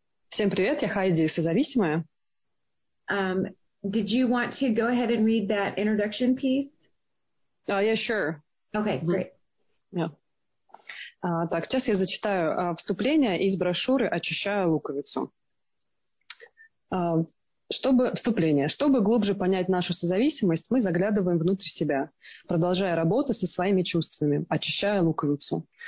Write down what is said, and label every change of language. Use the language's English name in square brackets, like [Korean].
[Russian] Всем привет, я Хайди, созависимая. [English] Did you want to go ahead and read that introduction piece? Yeah, sure. Okay, mm-hmm. Great. Yeah. [Russian] Так, сейчас я зачитаю вступление из брошюры «Очищая луковицу». Чтобы глубже понять нашу созависимость, мы заглядываем внутрь себя, продолжая работу со своими чувствами, очищая луковицу.